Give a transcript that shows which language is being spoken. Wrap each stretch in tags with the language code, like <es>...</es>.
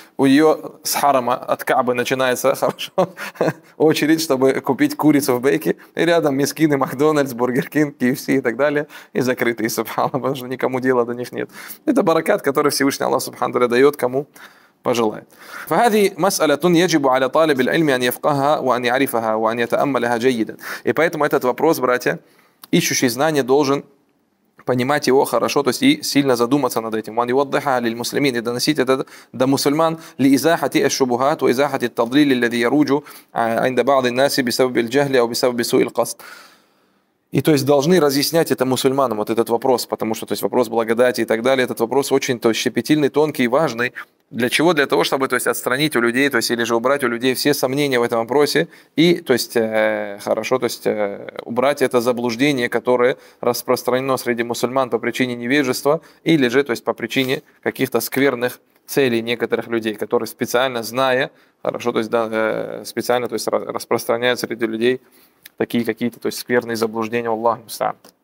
<ru>У нее с харама, от Кабы начинается, хорошо, очередь, чтобы купить курицу в бейке. И рядом мискины, Макдональдс, Бургер Кинг, KFC и так далее. И закрытые, субхану, потому что никому дела до них нет. Это баракат, который Всевышний Аллах, субхану, дает кому пожелает.</ru> <ar>فهذه مسألة يجب على طالب العلم أن يفقهها وأن يعرفها وأن يتأملها جيدا.</ar> <ru>И поэтому этот вопрос, братья, ищущий знания должен понимать его хорошо, то есть и сильно задуматься над этим.</ru> <ar>وأن يوضحها للمسلمين,</ar> <ru>и доносить это до мусульман,</ru> <ar>لإزاحة الشبهات وإزاحة التضليل الذي يروج عند بعض الناس بسبب الجهل أو بسبب سوء القصد.</ar> <ru>И то есть должны разъяснять это мусульманам, вот этот вопрос, потому что то есть вопрос благодати и так далее, этот вопрос очень то есть щепетильный, тонкий и важный. Для чего? Для того, чтобы то есть отстранить у людей, то есть или же убрать у людей все сомнения в этом вопросе и то есть хорошо, то есть убрать это заблуждение, которое распространено среди мусульман по причине невежества или же то есть по причине каких-то скверных целей некоторых людей, которые специально зная, хорошо, то есть да, специально то есть распространяют среди людей такие какие-то то есть скверные заблуждения, Аллаху мусалам.</ru>